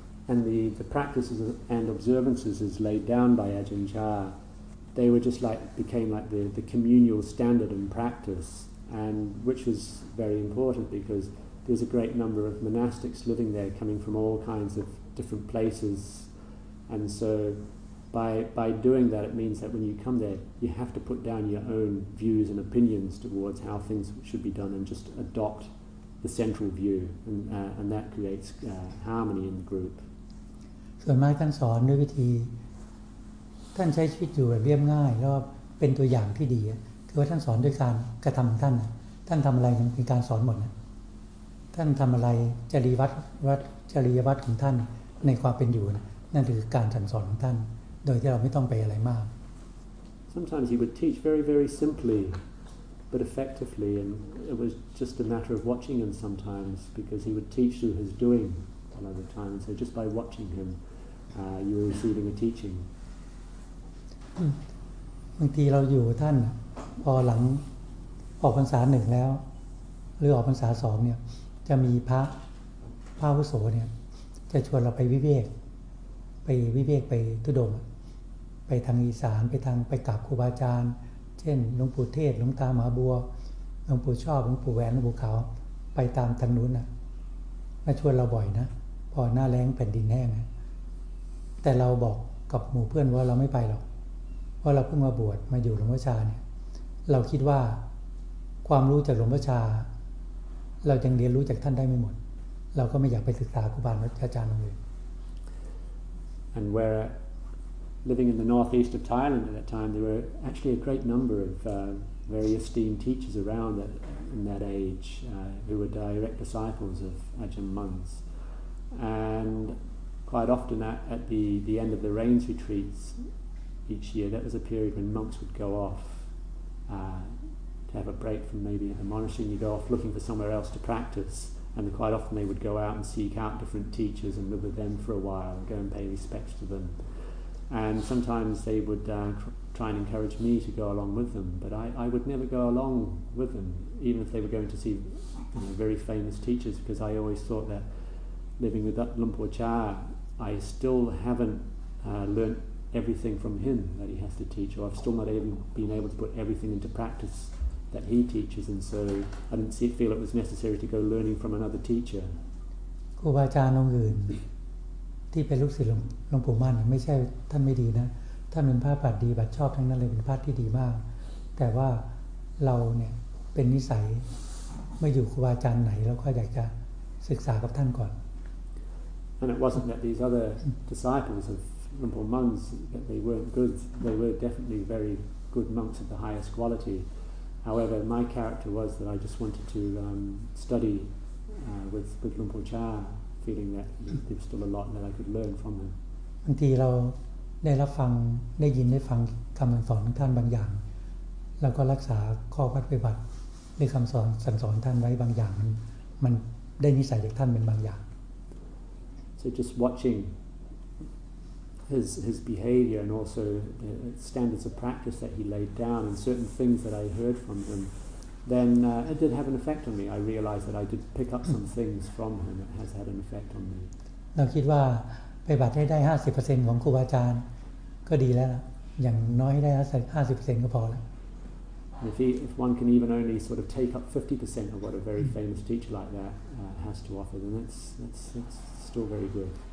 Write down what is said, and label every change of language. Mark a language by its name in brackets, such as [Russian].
[English] and the practices and observances as laid down by Ajahn Chah they were just like became like the communal standard and practice and which was very important because there's a great number of monastics living there coming from all kinds of different places and soby doing that, it means that when you come there, you have to put down your own views and opinions towards how things should be done and just adopt the central view, and that creates harmony in the group. [Thai] ส่วนมากท่านสอนด้วยวิธีท่านใช้ชีวิตอยู่แบบเรียบง่ายแล้วเป็นตัวอย่างที่ดีคือว่าท่านสอนด้วยการกระทำท่านท่านทำอะไรเป็นการสอนหมดท่านทำอะไรจริยวัตรของท่านในความเป็นอยู่นั่นคือการสั่งสอนของท่านโดยที่เราไม่ต้องไปอะไรมาก [English] Sometimes he would teach very very simply but effectively and it was just a matter of watching him sometimes because he would teach through his doing a lot of times so just by watching him you were receiving a teaching [Thai] บางทีเราอยู่ท่านพอหลังออกพรรษา1แล้วหรือออกพรรษา2เนี่ยจะมีพระอุโสเนี่ยจะชวนเราไปวิเวกไปทุดงไปทางอีสานไปกราบครูบาอาจารย์เช่นหลวงปู่เทศหลวงตามหาบัวหลวงปู่ชอบหลวงปู่แหวนหลวงปู่เขาไปตามทางนู้นน่ะมาชวนเราบ่อยนะพอหน้าแล้งแผ่นดินแห้ง แต่เราบอกกับหมู่เพื่อนว่าเราไม่ไปหรอกเพราะเราเพิ่งมาบวชมาอยู่หลวงพ่อชาเนี่ยเราคิดว่าความรู้จากหลวงพ่อชาเรายังเรียนรู้จากท่านได้ไม่หมดเราก็ไม่อยากไปศึกษาครูบาอาจารย์เลย [English] And where living in the northeast of Thailand at that time, there were actually a great number of very esteemed teachers around that, in that age who were direct disciples of Ajahn Mun's. And quite often at the end of the rains retreats each year, that was a period when monks would go off to have a break from maybe the monastery and you'd go off looking for somewhere else to practice. And quite often they would go out and seek out different teachers and live with them for a while and go and pay respects to them. And sometimes they would try and encourage me to go along with them, but I would never go along with them, even if they were going to see you know, very famous teachers, because I always thought that living with Lumpur Cha, I still haven't learnt everything from him that he has to teach, or I've still not even been able to put everything into practice. That he teaches, and so I didn't see, feel it was necessary to go learning from another teacher. [Thai] ครูบาอาจารย์องค์อื่นที่เป็นลูกศิษย์หลวงปู่มั่นไม่ใช่ท่านไม่ดีนะท่านเป็นพระปฏิบัติดีปฏิบัติชอบทั้งนั้นเลยเป็นพระที่ดีมากแต่ว่าเราเนี่ยเป็นนิสัยไม่อยู่ครูบาอาจารย์ไหนแล้วก็อยากจะศึกษากับท่านก่อน [English] And it wasn't that these other disciples of Lumpur Mun's that they weren't good. They were definitely very good monks of the highest quality. However, my character was that I just wanted to study with Lumpur Cha, feeling that there was still a lot that I could learn from him. [Thai] บางทีเราได้รับฟังได้ยินได้ฟังคำสอนของท่านบางอย่างแล้วก็รักษาข้อปฏิบัติหรือคำสอนสั่งสอนท่านไว้บางอย่างมันได้นิสัยจากท่านเป็นบางอย่าง [English] So just watching his behavior and also the standards of practice that he laid down and certain things that I heard from him then it did have an effect on me I realized that I did pick up some things from him it has had an effect on me [Thai] เราคิดว่าปฏิบัติให้ได้ 50% ของครูบาอาจารย์ก็ดีแล้วอย่างน้อยได้ 50% ก็พอแล้ว [English] if one can even only sort of take up 50% of what a very famous teacher like that has to offer then that's still very good